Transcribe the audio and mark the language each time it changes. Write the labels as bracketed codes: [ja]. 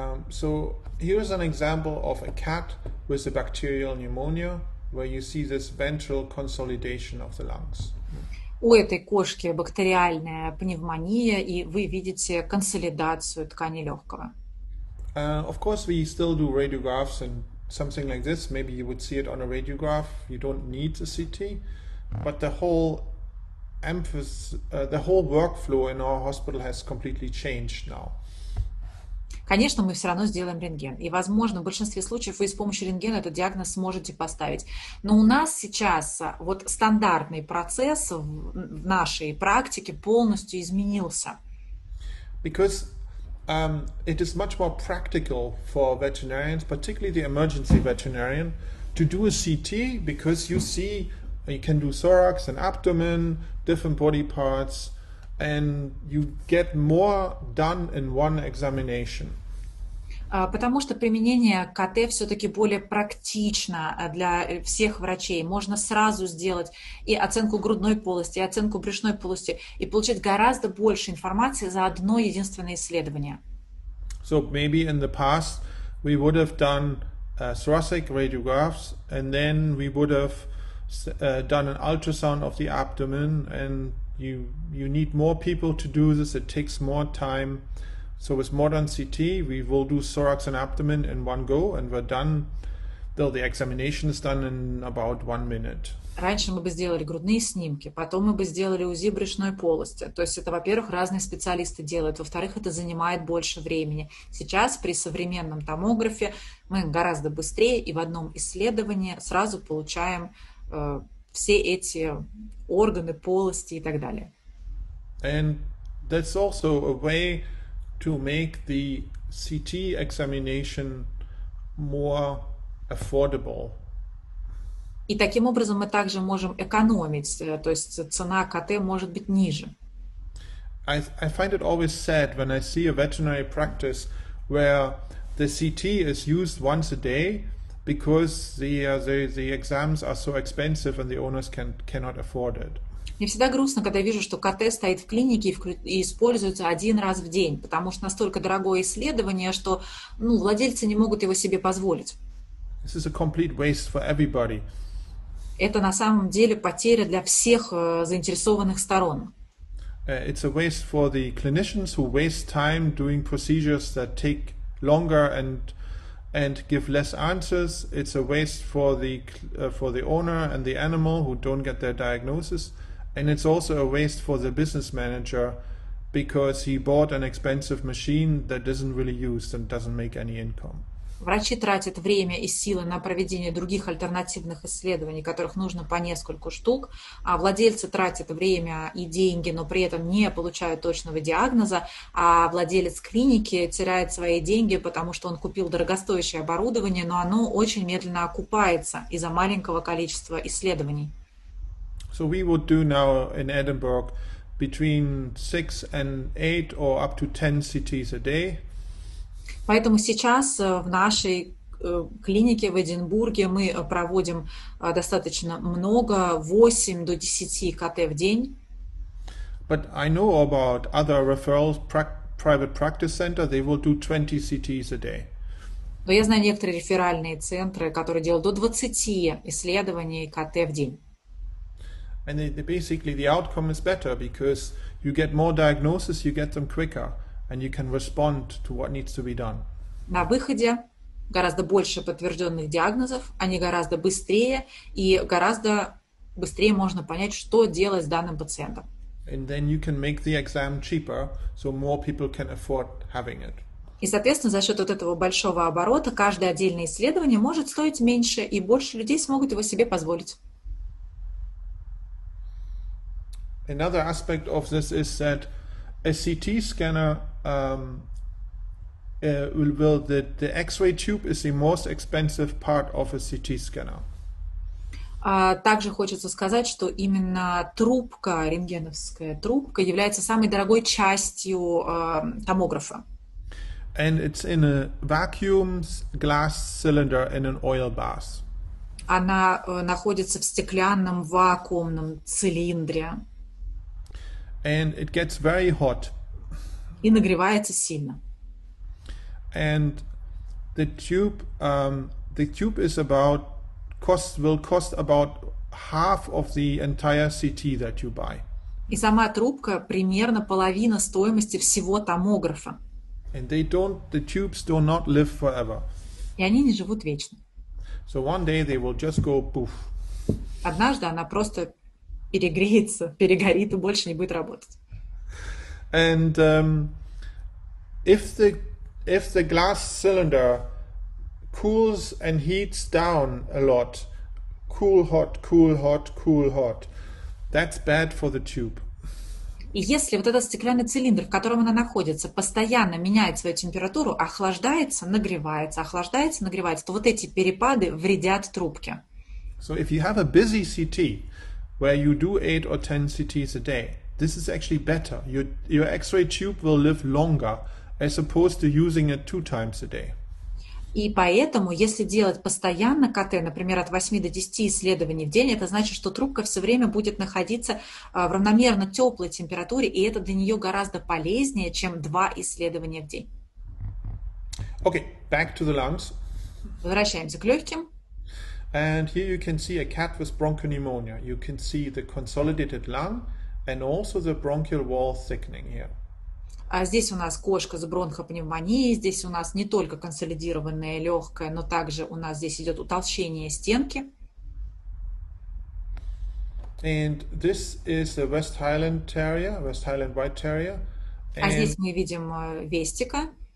[en] So here's an example of a cat with a bacterial pneumonia, where you see this ventral consolidation of the lungs. [ru] У этой кошки бактериальная пневмония, и вы видите консолидацию ткани легкого. [en] Of course, we still do radiographs and something like this. Maybe you would see it on a radiograph. You don't need a CT, but the whole the whole workflow in our hospital has completely changed now. [ru] Конечно, мы все равно сделаем рентген. И, возможно, в большинстве случаев вы с помощью рентгена этот диагноз сможете поставить. Но у нас сейчас вот стандартный процесс в нашей практике полностью изменился. [en] Because it is much more practical for veterinarians, particularly the emergency veterinarian, to do a CT, because you see, you can do thorax and abdomen, different body parts, and you get more done in one examination. [ru] Потому что применение КТ все-таки более практично для всех врачей. Можно сразу сделать и оценку грудной полости, и оценку брюшной полости, и получить гораздо больше информации за одно единственное исследование. [en] So maybe in the past we would have done thoracic radiographs, and then we would have done an ultrasound of the abdomen, and you need more people to do this, it takes more time. So with modern CT, we will do thorax and abdomen in one go, and we're done. Though the examination is done in about 1 minute. [ru] Раньше мы бы сделали грудные снимки, потом мы бы сделали УЗИ брюшной полости. То есть это, во-первых, разные специалисты делают, во-вторых, это занимает больше времени. Сейчас при современном томографе мы гораздо быстрее и в одном исследовании сразу получаем все эти органы, полости и так далее. [en] And that's also a way to make the CT examination more affordable. [ru] И таким образом мы также можем экономить, то есть цена КТ может быть ниже. [en] I find it always sad when I see a veterinary practice where the CT is used once a day because the exams are so expensive and the owners cannot afford it. [ru] Мне всегда грустно, когда вижу, что КТ стоит в клинике и используется один раз в день, потому что настолько дорогое исследование, что ну, владельцы не могут его себе позволить. [en] This is a complete waste for everybody. [ru] Это на самом деле потеря для всех заинтересованных сторон. [en] It's a waste for the clinicians who waste time doing procedures that take longer and give less answers. It's a waste for the owner and the animal who don't get their diagnosis. And it's also a waste for the business manager because he bought an expensive machine that isn't really used and doesn't make any income. [ru] Врачи тратят время и силы на проведение других альтернативных исследований, которых нужно по нескольку штук, а владельцы тратят время и деньги, но при этом не получают точного диагноза, а владелец клиники теряет свои деньги, потому что он купил дорогостоящее оборудование, но оно очень медленно окупается из-за маленького количества исследований. [en] So we would do now in Edinburgh between 6 and 8 or up to 10 CTs a day. [ru] Поэтому сейчас в нашей клинике в Эдинбурге мы проводим достаточно много, 8 до 10 КТ в день. [en] But I know about other referrals, private practice center, they will do 20 CTs a day. [ru] Но я знаю некоторые реферальные центры, которые делают до 20 исследований КТ в день. [en] And basically the outcome is better because you get more diagnosis, you get them quicker, and you can respond to what needs to be done. [ru] На выходе гораздо больше подтвержденных диагнозов, они гораздо быстрее, и гораздо быстрее можно понять, что делать с данным пациентом. [en] And then you can make the exam cheaper, so more people can afford having it. [ru] И, соответственно, за счет вот этого большого оборота каждое отдельное исследование может стоить меньше, и больше людей смогут его себе позволить. [en] Another aspect of this is that a CT scanner will the X-ray tube is the most expensive part of a CT scanner. [ru] Также хочется сказать, что именно трубка, рентгеновская трубка, является самой дорогой частью томографа. [en] And it's in a vacuum glass cylinder in an oil bath. [ru] она находится в стеклянном вакуумном цилиндре. [en] And it gets very hot. [ru] И нагревается сильно. [en] And the tube is about cost will cost about half of the entire CT that you buy. [ru] И сама трубка примерно половина стоимости всего томографа. [en] And they don't, the tubes do not live forever. [ru] И они не живут вечно. [en] So one day they will just go poof. [ru] Однажды она просто перегреется, перегорит и больше не будет работать. [en] And if the glass cylinder cools and heats down a lot, cool, hot, cool, hot, cool, hot, that's bad for the tube. [ru] И если вот этот стеклянный цилиндр, в котором она находится, постоянно меняет свою температуру, охлаждается, нагревается, то вот эти перепады вредят трубке. [en] So if you have a busy CT, where you do 8 or 10 CTs a day, this is actually better. Your X-ray tube will live longer, as opposed to using it 2 times a day. [ru] И поэтому, если делать постоянно КТ, например, от 8 до 10 исследований в день, это значит, что трубка все время будет находиться в равномерно теплой температуре, и это для нее гораздо полезнее, чем 2 исследования в день. [en] Okay, back to the lungs. [ru] Возвращаемся к легким. [en] And here you can see a cat with bronchopneumonia. You can see the consolidated lung and also the bronchial wall thickening here. [ru] А здесь у нас кошка с бронхопневмонией, здесь у нас не только консолидированное легкое, но также у нас здесь идет утолщение стенки. [en] And this is a West Highland Terrier, West Highland White Terrier. [ru] А здесь мы видим вестика.